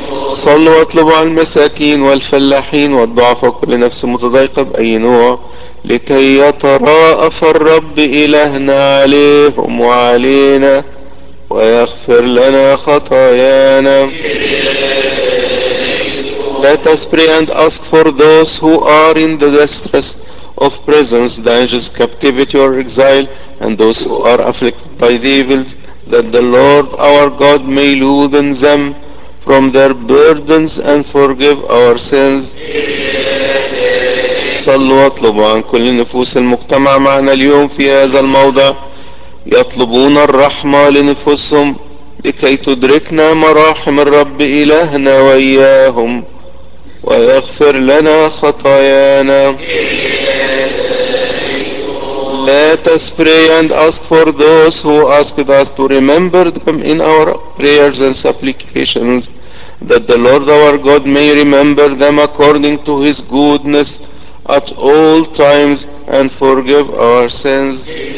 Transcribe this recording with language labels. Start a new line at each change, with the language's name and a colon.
Arabic: صلوا واطلبوا على المساكين والفلاحين والضعفاء كل نفس متضايقة بأي نوع لكي يتراءف الرب إلهنا عليهم وعلينا ويغفر لنا خطايانا.
English: Let us pray and ask for those who are in the distress of prisons, dangers, captivity or exile, and those who are afflicted by the evils, that the Lord our God may loosen them from their burdens and forgive our sins.
Arabic: صلوا واطلبوا عن كل نفوس المجتمع معنا اليوم في هذا الموضع يطلبون الرحمة لنفوسهم لكي تدركنا مراحم الرب إلهنا وإياهم ويغفر لنا خطايانا.
English: Let us pray and ask for those who asked us to remember them in our prayers and supplications, that the Lord our God may remember them according to His goodness at all times and forgive our sins.